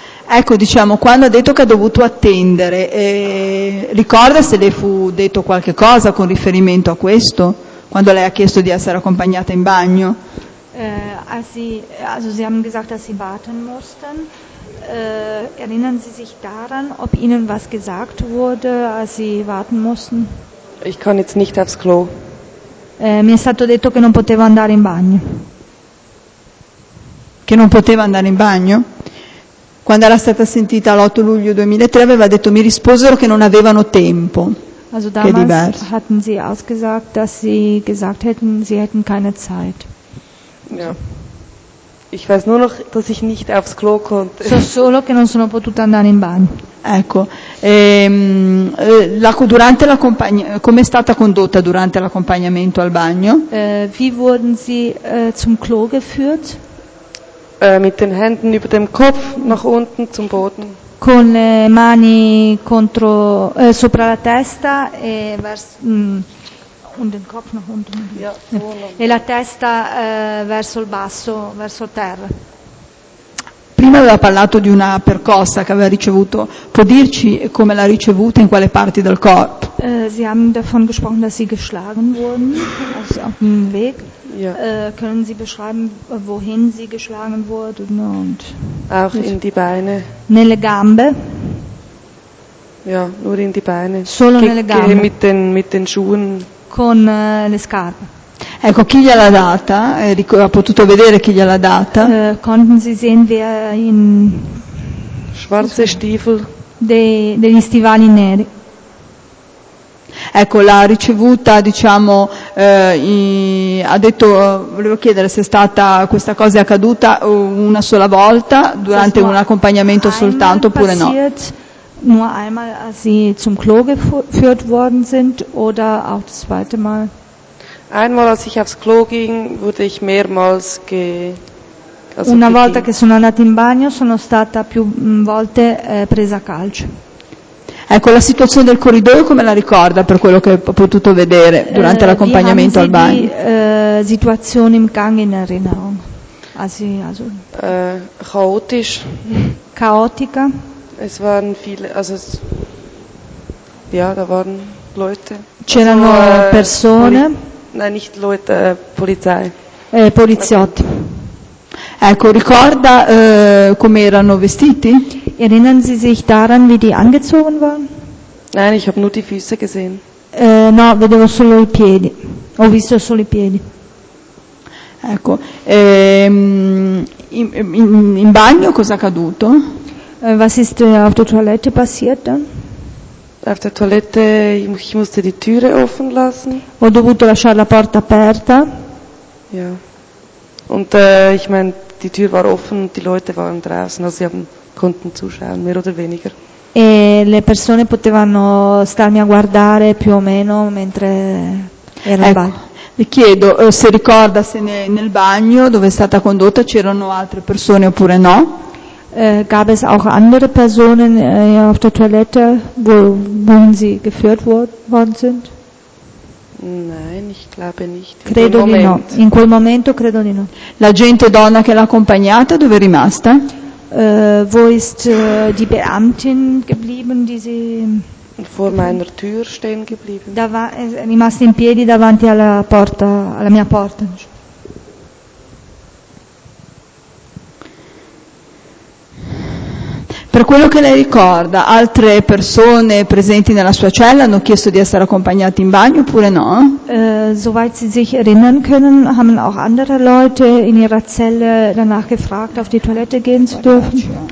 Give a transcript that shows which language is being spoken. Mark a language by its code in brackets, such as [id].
[it] Ecco, diciamo, quando ha detto che ha dovuto attendere, ricorda se le fu detto qualche cosa con riferimento a questo, quando lei ha chiesto di essere accompagnata in bagno? [de] Also sie haben gesagt, dass sie warten mussten. Erinnern Sie sich daran, ob Ihnen was gesagt wurde, als Sie warten mussten? Ich kann jetzt nicht aufs Klo. [it] Mi è stato detto che non potevo andare in bagno. Che non poteva andare in bagno? Quando era stata sentita l'8 luglio 2003 aveva detto, mi risposero che non avevano tempo. [de] Also damals hatten sie ausgesagt, dass sie gesagt hätten, sie hätten keine Zeit. Ja. Ich weiß nur noch, dass ich nicht aufs Klo konnte. [it] So solo che non sono potuta andare in bagno. Ecco. Come è stata condotta durante l'accompagnamento al bagno? [de] Wie wurden sie zum Klo geführt? Mit den Händen über dem Kopf nach unten zum Boden. [it] Con le mani contro sopra la testa e verso [de] und den Kopf nach unten. Ja, [it] e la testa verso il basso, verso terra. Prima aveva parlato di una percossa che aveva ricevuto. Può dirci come l'ha ricevuta, in quale parte del corpo? [de] Sie haben davon gesprochen, dass sie geschlagen wurden, also auf dem Weg. Ja. Können Sie beschreiben, wohin sie geschlagen wurden? Und auch in die Beine. [it] Nelle gambe? [de] Ja, nur in die Beine. [it] Solo nelle gambe. [de] Mit den Schuhen. [it] Con le scarpe. Ecco, chi gliel'ha data? Ha potuto vedere chi gliel'ha data? [de] Konnten Sie sehen, wer in... Schwarze Stiefel. [it] Degli stivali neri. Ecco, l'ha ricevuta, diciamo, ha detto, volevo chiedere se è stata, questa cosa è accaduta una sola volta, durante un accompagnamento soltanto, oppure no? [de] Nur einmal, als sie zum Klo geführt worden sind, oder auch das zweite Mal? Einmal, als ich aufs Klo ging, wurde ich mehrmals [it] Una volta che sono andata in bagno, sono stata più volte presa a calcio. Ecco, la situazione del corridoio come la ricorda, per quello che ho potuto vedere durante l'accompagnamento al bagno? [de] Wie haben Sie die Situation im Gang in Erinnerung? Also chaotisch. [it] Chaotica. [de] Es waren viele, also es, ja, da waren Leute. [it] C'erano also, persone. [de] Nein, nicht Leute, Polizei. [it] Poliziotti. Ecco, ricorda come erano vestiti? [de] Erinnern Sie sich daran, wie die angezogen waren? Nein, ich habe nur die Füße gesehen. [it] No, vedevo solo i piedi. Ho visto solo i piedi. Ecco, in bagno cosa è accaduto? [de] Was ist auf der Toilette passiert dann? Auf der Toilette, ich musste die Türe offen lassen. [it] Ho dovuto lasciare la porta aperta. [de] Ja. Und ich meine, die Tür war offen und die Leute waren draußen, also sie haben konnten zuschauen, mehr oder weniger. [it] E le persone potevano starmi a guardare più o meno mentre ero ecco, in bagno. Le chiedo se ricorda se nel bagno dove è stata condotta c'erano altre persone oppure no? [de] Gab es auch andere Personen auf der Toilette, wo sie geführt worden sind? Nein, ich glaube nicht. [it] Credo di no. In quel momento credo di no. La gente donna che l'ha accompagnata dove è rimasta? [de] Wo ist die Beamtin geblieben, die sie vor meiner Tür stehen geblieben? [it] Da war è rimasta in piedi davanti alla porta, alla mia porta. Per quello che lei ricorda, altre persone presenti nella sua cella hanno chiesto di essere accompagnate in bagno oppure no? [de] Soweit sie sich erinnern können, haben auch andere Leute in ihrer Zelle danach gefragt, auf die Toilette gehen zu dürfen.